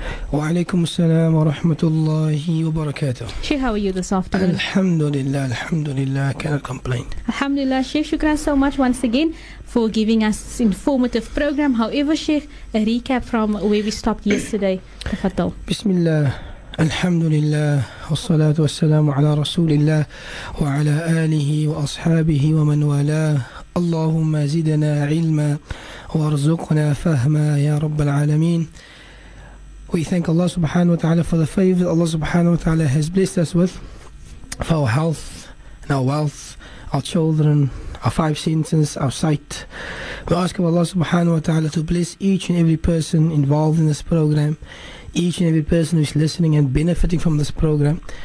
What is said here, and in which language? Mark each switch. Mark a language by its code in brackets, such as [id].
[ar] Wa alaikum assalam wa rahmatullahi wa barakatuh. [en] Sheikh, how are you this afternoon? Alhamdulillah, alhamdulillah, I cannot complain. Alhamdulillah, Sheikh, shukran so much once again for giving us this informative program. However, Sheikh, a recap from where we stopped yesterday. Fatal. [ar] Bismillah. الحمد لله والصلاة والسلام على رسول الله وعلى آله وأصحابه ومن والاه اللهم زدنا علما وارزقنا فهما يا رب العالمين. [en] We thank Allah subhanahu wa ta'ala for the favor that Allah subhanahu wa ta'ala has blessed us with, for our health and our wealth, our children, our five senses, our sight. We ask of Allah subhanahu wa ta'ala to bless each and every person involved in this program, each and every person who is listening and benefiting from this program.